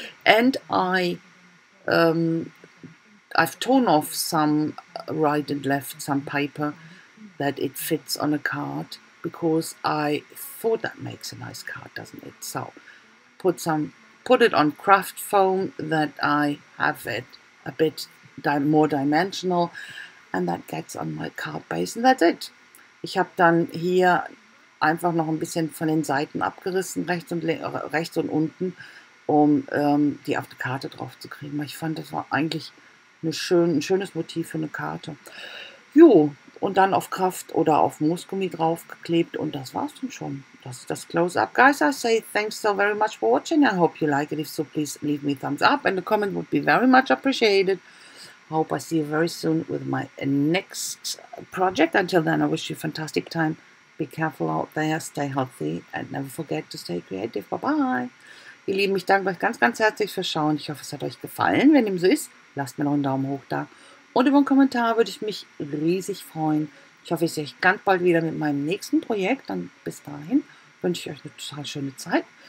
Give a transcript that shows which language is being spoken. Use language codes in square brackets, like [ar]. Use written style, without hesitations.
[en] And I've torn off some right and left, some paper that it fits on a card, because I thought that makes a nice card, doesn't it? So, put it on craft foam that I have it a bit more dimensional, and that gets on my card base, and that's it. [de] Ich habe dann hier einfach noch ein bisschen von den Seiten abgerissen, rechts und unten, um die auf die Karte drauf zu kriegen. Ich fand, das war eigentlich ein schönes Motiv für eine Karte. Jo. Und dann auf Kraft oder auf Moosgummi draufgeklebt. Und das war's dann schon. Das ist das Close-Up. [en] Guys, I say thanks so very much for watching. I hope you like it. If so, please leave me a thumbs up. And a comment would be very much appreciated. Hope I see you very soon with my next project. Until then, I wish you a fantastic time. Be careful out there. Stay healthy. And never forget to stay creative. Bye-bye. [de] Ihr Lieben, ich danke euch ganz, ganz herzlich fürs Schauen. Ich hoffe, es hat euch gefallen. Wenn dem so ist, lasst mir noch einen Daumen hoch da. Und über einen Kommentar würde ich mich riesig freuen. Ich hoffe, ich sehe euch ganz bald wieder mit meinem nächsten Projekt. Dann bis dahin wünsche ich euch eine total schöne Zeit.